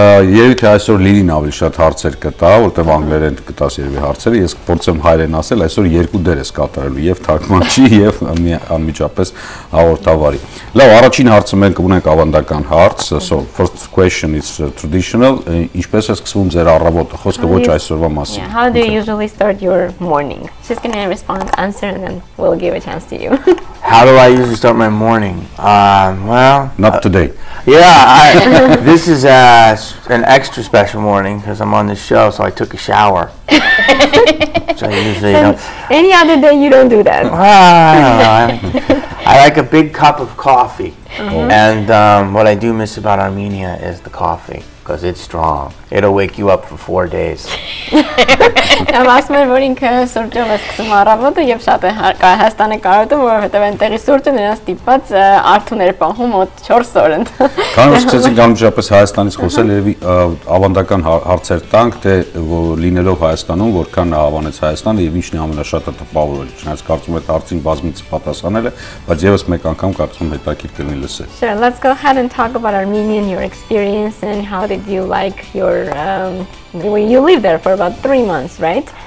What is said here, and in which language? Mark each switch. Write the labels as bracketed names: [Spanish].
[Armenian] Երևի այսօր Լիլին ավելի շատ հարցեր կտա, որտեվ անգլերեն կտաս երևի հարցերը, ես կփորձեմ հայերեն ասել, այսօր երկու դեր ես կատարելու, եւ թարգմանչի, եւ անմիջապես հաղորդավարի։ Լավ, առաջին հարցը մենք ունենք ավանդական հարց, [English] so first question is traditional, [Armenian] ինչպես է սկսվում ձեր առավոտը, խոսքը ոչ այսօրվա մասին։ [English] How do you usually start your morning? She's going to respond, answer, and then we'll give a chance to you. How do I usually start my morning? Well, not today. Yeah, this is an extra special morning because I'm on this show, so I took a shower. Any other day you don't do that. I like a big cup of coffee. Uh-huh. And what I do miss about Armenia is the coffee. Because it's strong. It'll wake you up for 4 days. [Armenian] Եմ ասում եմ, որ ինքը սուրճով է սկսում առավոտը եւ շատ է Հայաստանը կարոտում, որովհետեւ այնտեղի սուրճը նրան ստիպած արթուներ պահում մոտ 4 օր ընդ։ Քանի որ սկսեցինք անմիջապես Հայաստանից խոսել, երևի ավանդական հարցեր տանք, թե լինելով Հայաստանում, որքան ավանեց Հայաստանը եւ ինչն է ամենաշատը տպավորել, չնայած կարծում եմ հարցին բազմից պատասխանել է, բայց եւս մեկ անգամ կարծում եմ հետաքրքիր կլինի լսել։ [English] Sure, let's go ahead and talk about Armenian, your experience and how did you like your you lived there for about 3 months, right?